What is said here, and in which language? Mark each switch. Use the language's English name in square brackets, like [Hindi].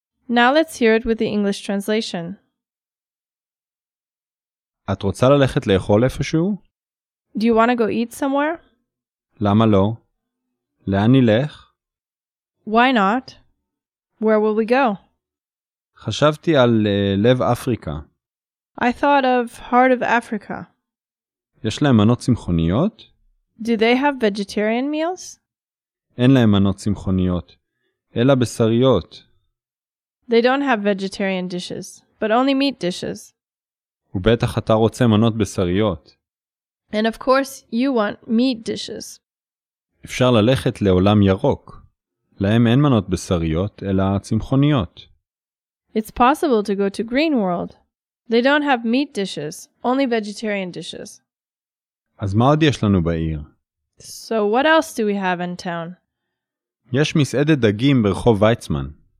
[English] Now let's hear it with the English translation. [Hebrew] את רוצה ללכת לאכול איפשהו? [English] Do you want to go eat somewhere? [Hebrew] למה לא? לאן נלך? [English] Why not? Where will we go? [Hebrew] חשבתי על לב אפריקה. [English] I thought of Heart of Africa. [Hebrew] יש להם מנות צמחוניות? [English] Do they have vegetarian meals? [Hebrew] אין להם מנות צמחוניות, אלא בשריות. [English] They don't have vegetarian dishes, but only meat dishes. [Hebrew] ובטח אתה רוצה מנות בשריות. [English] And of course you want meat dishes. [Hebrew] אפשר ללכת לעולם ירוק. להם אין מנות בשריות, אלא צמחוניות. [English] It's possible to go to Green World. They don't have meat dishes, only vegetarian dishes. [Hebrew] אז מה עוד יש לנו בעיר? [English] So what else do we have in town? [Hebrew] יש מסעדת דגים ברחוב ויצמן.